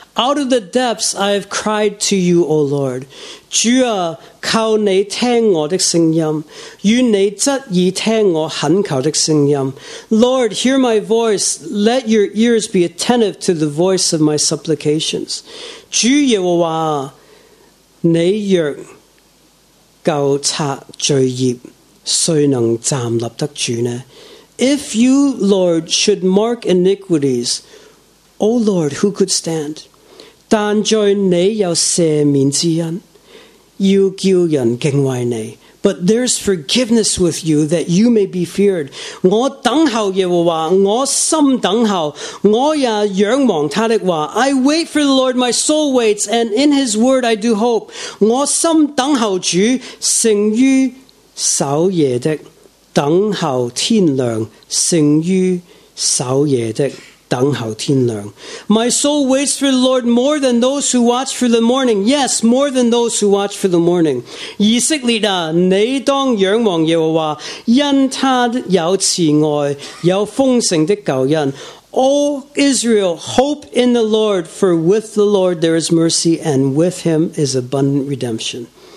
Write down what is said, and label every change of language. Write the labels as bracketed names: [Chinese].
[English] Out of the depths I have cried to you, O Lord. [Chinese] 主啊，求你听我的声音，愿你侧耳听我恳求的声音。 [English] Lord, hear my voice. Let your ears be attentive to the voice of my supplications. [Chinese] 主耶和华，你若救赎罪孽，谁能站立得住呢？ [English] If you, Lord, should mark iniquities, O Lord, who could stand? [Chinese] 但在你有赦免之恩，要叫人敬畏你。 [English] But there's forgiveness with you that you may be feared. [Chinese] 我等候耶和华，我心等候，我也仰望他的话。 [English] I wait for the Lord, my soul waits, and in his word I do hope. [Chinese] 我心等候主，胜于守夜的，等候天亮，胜于守夜的。等候天亮。 [English] My soul waits for the Lord more than those who watch for the morning. Yes, more than those who watch for the morning. [Chinese] 以色列啊，你当仰望耶和华，因他有慈爱，有丰盛的救恩。 [English] O Israel, hope in the Lord, for with the Lord there is mercy, and with him is abundant redemption.